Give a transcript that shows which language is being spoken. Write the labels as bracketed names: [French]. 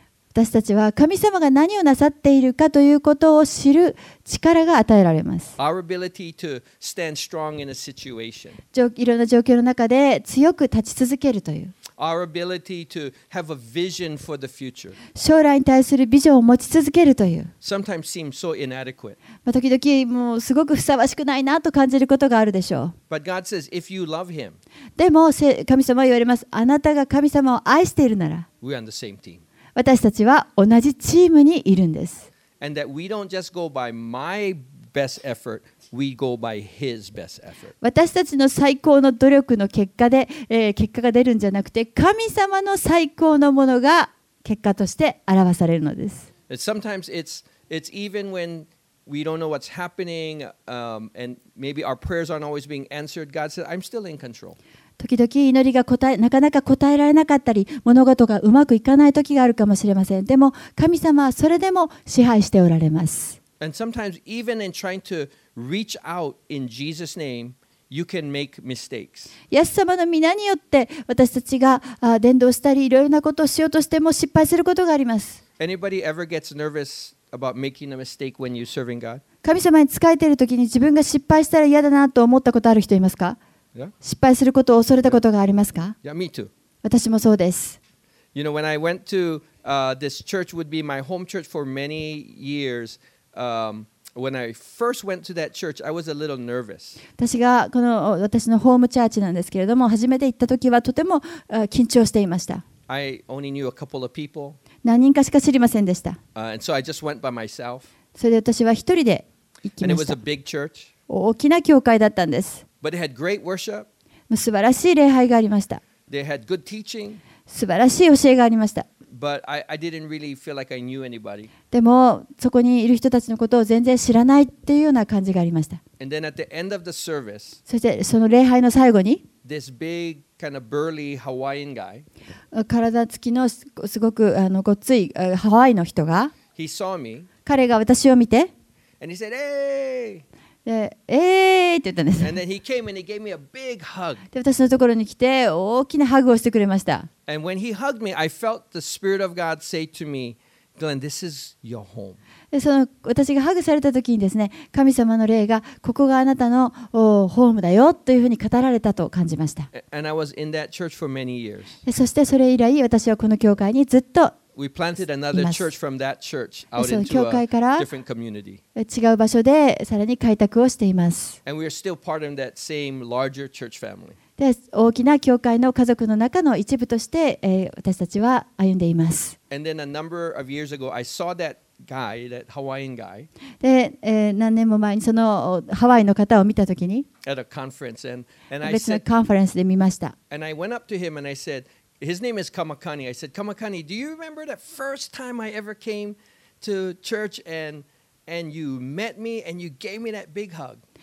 [Japanese] 私たちは神様が何をなさっているかということを知る力が与えられます。 [English] Our ability to stand strong in a situation. [Japanese] いろんな状況の中で強く立ち続けるという。 [English] Our ability to have a vision for the future. [Japanese] 将来に対するビジョンを持ち続けるという。 [English] Sometimes seems so inadequate. [Japanese] 時々もうすごくふさわしくないなと感じることがあるでしょう。 [English] But God says, if you love Him. [Japanese] でも神様は言われます。あなたが神様を愛しているなら。 [English] We're on the same team. [Japanese] 私たちは同じチームにいるんです。 [English] And that we don't just go by my best effort. We go by his best effort. [Japanese] 私たちの最高の努力の結果で、結果が出るんじゃなくて神様の最高のものが結果として表されるのです。 [English] Sometimes it's even when we don't know what's happening, and maybe our prayers aren't always being answered, God says, I'm still in control. [Japanese] 時々祈りがなかなか答えられなかったり物事がうまくいかない時があるかもしれません。でも神様はそれでも支配しておられます。 [English] And sometimes even in trying to reach out in Jesus' name, you can make mistakes. [Japanese] イエス様の名によって私たちが伝道したりいろいろなことをしようとしても失敗することがあります。 [English] Anybody ever gets nervous about making a mistake when you're serving God? [Japanese] 神様に仕えているときに自分が失敗したら嫌だなと思ったことある人いますか？ [English] Yeah. [Japanese] 失敗することを恐れたことがありますか？ [English] Yeah, me too. [Japanese] 私もそうです。 [English] You know, when I went to this church would be my home church for many years. When I first went to that church, I was a little nervous. [Japanese] 私がこの私のホームチャーチなんですけれども、初めて行った時はとても緊張していました。 [English] I only knew a couple of people. [Japanese] 何人かしか知りませんでした。 [English] And so I just went by myself. [Japanese] それで私は一人で行きました。 [English] And it was a big church. [Japanese] 大きな教会だったんです。 [English] But it had great worship. [Japanese] 素晴らしい礼拝がありました。 [English] They had good teaching. [Japanese] 素晴らしい教えがありました。 [English] But I didn't really feel like I knew anybody. [Japanese] でもそこにいる人たちのことを全然知らないっていうような感じがありました。 [English] And then at the end of the service, [Japanese] そしてその礼拝の最後に、 [English] this big kind of burly Hawaiian guy, [Japanese] 体つきのすごくごっついハワイの人が、 [English] he saw me, [Japanese] 彼が私を見て、 [English] and he said, "Hey!" [Japanese] で、って言ったんです。 [English] And then he came and he gave me a big hug. [Japanese] で、私のところに来て大きなハグをしてくれました。 [English] And when he hugged me, I felt the Spirit of God say to me, "Glenn, this is your home." [Japanese] で、その私がハグされた時にですね、神様の霊がここがあなたのホームだよというふうに語られたと感じました。 [English] And I was in that church for many years. [Japanese] で、そしてそれ以来私はこの教会にずっと。 [English] We planted another church from that church out into a different community. [Japanese] 違う場所でさらに開拓をしています。 [English] And we are still part of that same larger church family. [Japanese] で、大きな教会の家族の中の一部として、私たちは歩んでいます。 [English] And then a number of years ago, I saw that guy, that Hawaiian guy. [Japanese] で、何年も前にそのハワイの方を見たときに、 [English] at a conference, and [Japanese] I 別のカンファレンスで見ました。 [English] And I went up to him and I said,His name is Kamakani. I said, Kamakani, do you remember that first time I ever came to church and you met me and you gave me that big hug?